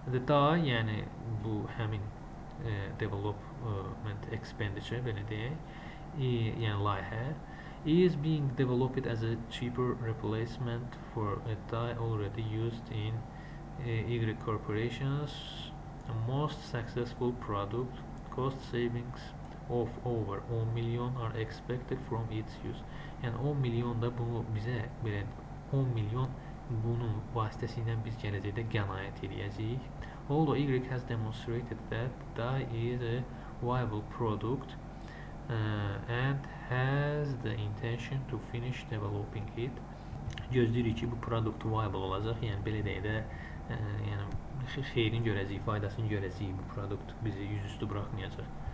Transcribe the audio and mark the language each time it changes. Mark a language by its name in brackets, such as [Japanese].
[Azerbaijani] Daha, yəni bu həmin development expenditure, belə deyək, yəni layihə, [English] is being developed as a cheaper replacement for a dye already used in Y Corporation's most successful product. Cost savings of over 10 million are expected from its use. [Azerbaijani] Yəni 10 milyon da bunu bizə, belə 10 milyon bunun vasitəsilə biz gələcəkdə qənaət edəcəyik. [English] Although Y has demonstrated that dye is a viable product and has the intention to finish developing it. [Azerbaijani] Gözləyirik ki, bu produkt viable olacaq. Yəni belə deyə də yəni xeyrini görəcəyik, faydasını görəcəyik bu produkt. Bizi yüzüstü buraxmayacaq.